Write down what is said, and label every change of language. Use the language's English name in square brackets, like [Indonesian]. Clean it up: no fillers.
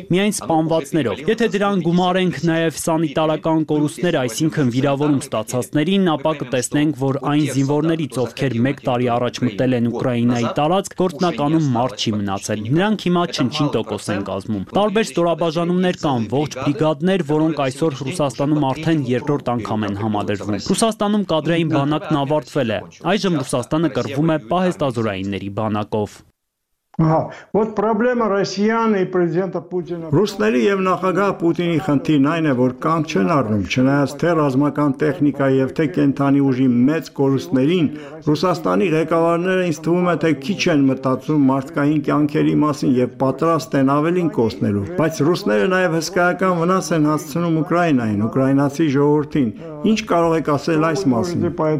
[Armenian] միայն սպանվածներով։ Եթե դրան գումարենք նաև սանիտարական կորուստները, այսինքն վիրավորում ստացածներին, ապա կտեսնենք, որ այն զինվորներից, ովքեր 1 տարի առաջ մտել են Ուկրաինայի տարածք, գործնականում մարդ չի մնացել։ Նրանք հիմա չնչին տոկոս են կազմում։ Տարբեր ստորաբաժանումներ կան, ողջ բրիգադներ, որոնք այսօր Ռուսաստանում արդեն երկրորդ անգամ են համադրվում։ Ռուսաստանում կադրային բանակն ավարտվել է։ Այժմ Ռուսաստանը կռվում է պահեստազորայինների բանակով։ [Russian] Ահա, вот проблема россиян и президента Путина. [Armenian] Ռուսների եւ նախագահ Պուտինի խնդիրն այն է, որ կանգ չեն առնում, չնայած թե ռազմական տեխնիկա եւ թե կենթանի ուժի մեծ կորուստներին, Ռուսաստանի ղեկավարները ինձ թվում է, թե քիչ են մտածում մարդկային կյանքերի մասին եւ պատրաստ են ավելին կորցնելու, բայց ռուսները նաեւ հսկայական վնաս են հասցնում Ուկրաինային, ուկրաինացի ժողովրդին։ Ինչ կարող եք ասել այս մասին։